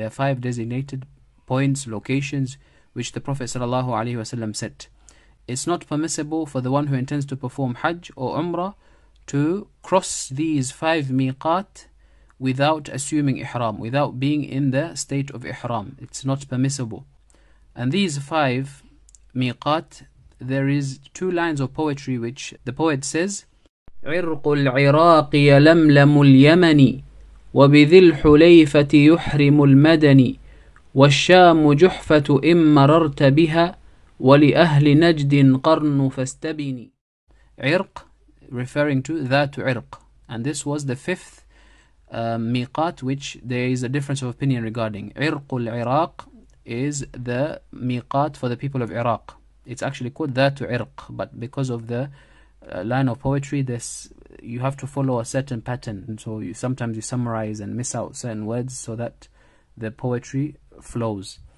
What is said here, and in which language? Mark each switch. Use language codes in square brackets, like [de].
[en] There are five designated points, locations, which the Prophet sallallahu alaihi wasallam set. It's not permissible for the one who intends to perform Hajj or Umrah to cross these five miqat without assuming ihram, without being in the state of ihram. It's not permissible. And these five miqat, there is two lines of poetry which the poet says, [ar] عرق العراق يلملم اليمن وبذي الحليفة يحرم المدن والشام جحفة إن مررت بها ولأهل نجد قرن فاستبني. [en] عرق, referring to that irq, and this was the fifth miqat which there is a difference of opinion regarding. Irqul Iraq is the miqat for the people of Iraq. It's actually called that irq, but because of the line of poetry, this you have to follow a certain pattern, and so you sometimes you summarize and miss out certain words so that the poetry flows.